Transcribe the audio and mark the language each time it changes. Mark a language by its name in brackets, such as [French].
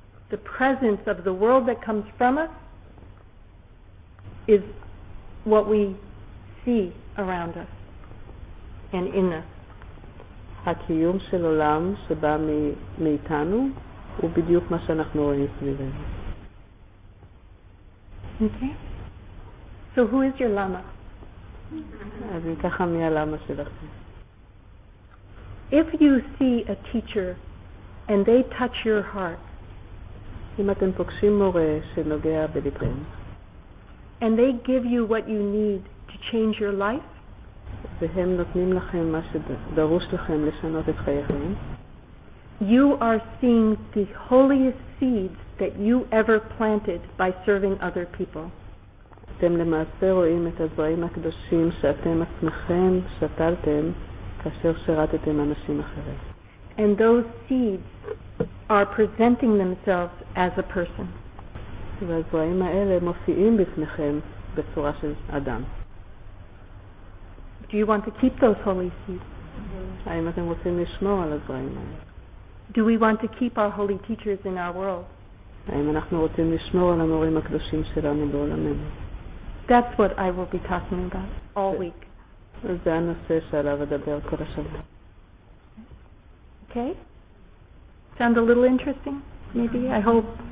[English] The presence of the world that comes from us is what we see around us and in us. [Hebrew] הקיום של עולם שבא מאיתנו הוא בדיוק מה שאנחנו רואים סביבנו. [English] Okay. So who is your Lama? [Hebrew] אז אם ככה מי הלמה שלכם? [English] If you see a teacher and they touch your heart, [Hebrew] אם אתם פוגשים מורה שנוגע בלבכם, [English] and they give you what you need to change your life, [Hebrew] והם נותנים לכם מה שדרוש לכם לשנות את חייכם, [English] you are seeing the holiest seeds that you ever planted by serving other people. [Hebrew] אתם למעשה רואים את הזרעים הקדושים שאתם עצמכם שתלתם כאשר שרתתם אנשים אחרים. [English] And those seeds are presenting themselves as a person. [Hebrew] והזרעים האלה מופיעים בפניכם בצורה של אדם. [English] Do you want to keep those holy seeds? [Hebrew] האם אתם רוצים לשמור על הזרעים האלה? [English] Do we want to keep our holy teachers in our world? [Hebrew] האם אנחנו רוצים לשמור על המורים הקדושים שלנו בעולמנו? [English] That's what I will be talking about all week. [Hebrew] זה הנושא שעליו אדבר כל השבוע. [English] Okay? Sound a little interesting, maybe? I hope.